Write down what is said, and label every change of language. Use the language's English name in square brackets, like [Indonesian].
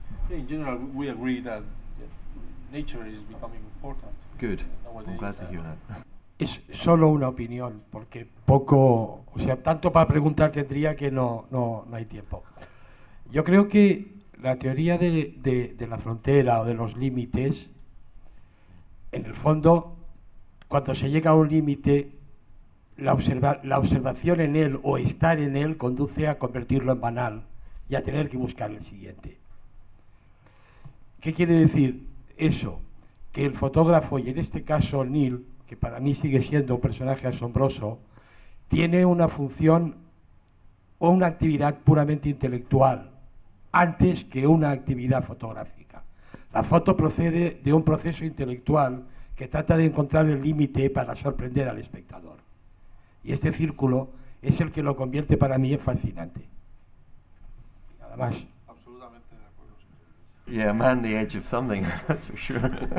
[English] in general we agree that nature is becoming important. Good. I'm glad to hear that. [Spanish] Es solo una opinión, porque poco, o sea, tanto para preguntar tendría que no hay tiempo. Yo creo que la teoría de la frontera o de los límites, en el fondo, cuando se llega a un límite, la observación en él o estar en él conduce a convertirlo en banal y a tener que buscar el siguiente. ¿Qué quiere decir eso? Que el fotógrafo, y en este caso Neil, que para mí sigue siendo un personaje asombroso, tiene una función o una actividad puramente intelectual antes que una actividad fotográfica. La foto procede de un proceso intelectual que trata de encontrar el límite para sorprender al espectador. Y este círculo es el que lo convierte para mí en fascinante. Nada más. Absolutamente de acuerdo. [English] Yeah, man the edge of something, that's for sure.